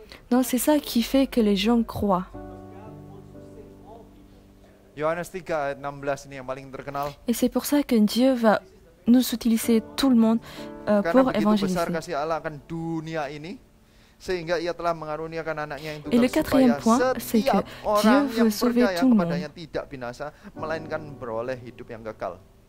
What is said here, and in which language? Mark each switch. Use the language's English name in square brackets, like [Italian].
[French] Donc c'est ça qui fait que les gens croient. [Indonesian] Yohanes 3, ayat 16 ini yang paling terkenal. [French] Et c'est pour ça que Dieu va nous utiliser tout le monde pour évangéliser. [Indonesian] Karena begitu besar kasih Allah akan dunia ini, sehingga ia telah mengaruniakan anaknya yang tunggal. [French] Et le quatrième point, c'est que Dieu veut sauver tout le monde. [Indonesian] Kepadanya tidak binasa, melainkan beroleh hidup yang kekal.